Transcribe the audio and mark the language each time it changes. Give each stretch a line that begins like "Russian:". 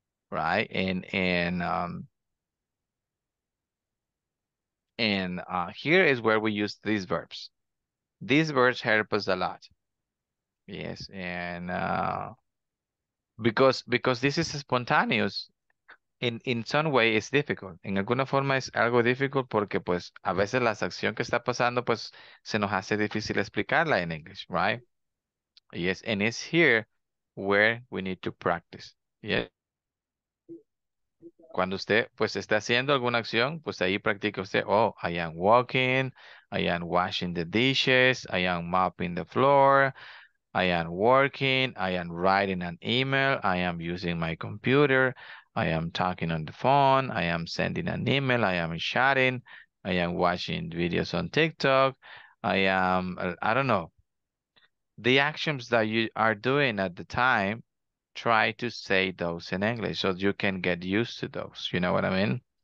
English: Right, and here is where we use these verbs. These verbs help us a lot. Yes, and because this is spontaneous, in some way it's difficult.
Spanish: En alguna forma es algo difícil porque pues a veces la acción que está pasando pues se nos hace difícil explicarla en
English: English, right? Yes, and it's here where we need to practice. Yes.
Spanish: Cuando usted, pues, está haciendo alguna acción, pues, ahí practica usted,
English: oh, I am walking, I am washing the dishes, I am mopping the floor, I am working, I am writing an email, I am using my computer, I am talking on the phone, I am sending an email, I am chatting, I am watching videos on TikTok, the actions that you are doing at the time, try to say those in English so you can get used to those. You know what I mean?